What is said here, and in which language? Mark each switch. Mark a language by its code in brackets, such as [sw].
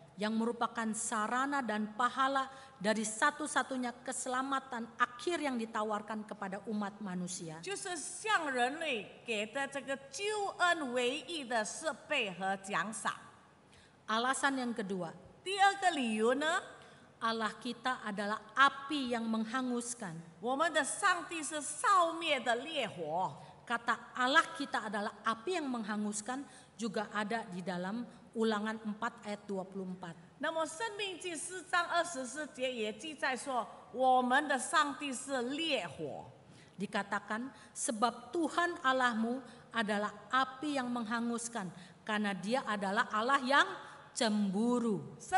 [id] Yang merupakan sarana dan pahala dari satu-satunya keselamatan akhir yang ditawarkan kepada umat manusia. [zh] 就是向人类给的这个救恩唯一的设备和奖赏。 [id] Alasan yang kedua. [zh] 第二个理由呢? [id] Allah kita adalah api yang menghanguskan. [zh] 我们的上帝是烧灭的烈火。 [id] Kata Allah kita adalah api yang menghanguskan juga ada di dalam Ulangan 4 ayat 24. [zh] 那么申命记4章24节也记载说，我们的上帝是烈火。 [id] Dikatakan sebab Tuhan Allahmu adalah api yang menghanguskan karena dia adalah Allah yang cemburu.